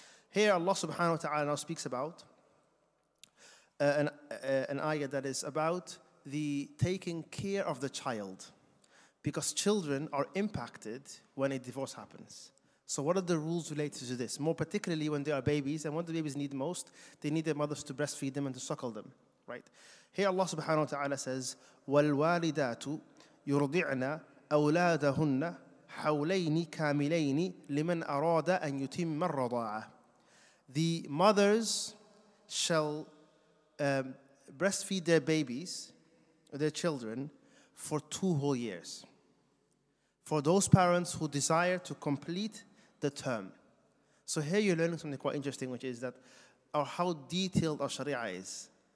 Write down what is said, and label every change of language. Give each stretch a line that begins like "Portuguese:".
English: Here Allah subhanahu wa ta'ala now speaks about an ayah that is about the taking care of the child, because children are impacted when a divorce happens. So what are the rules related to this? More particularly when they are babies, and what the babies need most, they need their mothers to breastfeed them and to suckle them, right? Here Allah subhanahu wa ta'ala says,
Arabic: وَالْوَالِدَاتُ يُرْضِعْنَا أَوْلَادَهُنَّ حَوْلَيْنِ كَامِلَيْنِ لِمَنْ أَرَادَ أَنْ يُتِمَّ الرَّضَاعَةَ.
English: The mothers shall breastfeed their babies, their children, for 2 whole years. For those parents who desire to complete the term. So here you're learning something quite interesting, which is that how detailed our Sharia is.